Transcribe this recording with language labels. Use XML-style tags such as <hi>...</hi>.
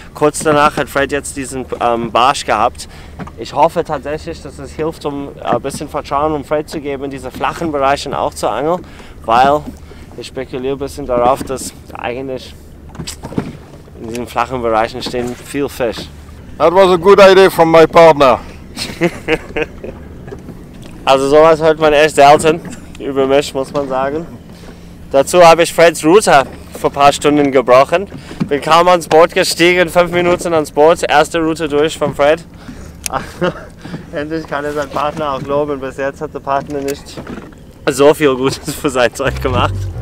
<de>Kurz danach hat Fred jetzt diesen Barsch gehabt. Ich hoffe tatsächlich, dass es hilft, um ein bisschen Vertrauen um Fred zu geben, in diese flachen Bereichen auch zu angeln, weil ich spekuliere ein bisschen darauf, dass eigentlich in diesen flachen Bereichen stehen viel Fisch.</de> <en>That was a good idea from my partner.</en> <de>Also sowas hört man echt selten über mich, muss man sagen. Dazu habe ich Freds Router vor ein paar Stunden gebrochen. Bin kaum ans Boot gestiegen, 5 Minuten ans Boot, erste Router durch von Fred. Endlich kann er seinen Partner auch loben. Bis jetzt hat der Partner nicht so viel Gutes für sein Zeug gemacht.</de>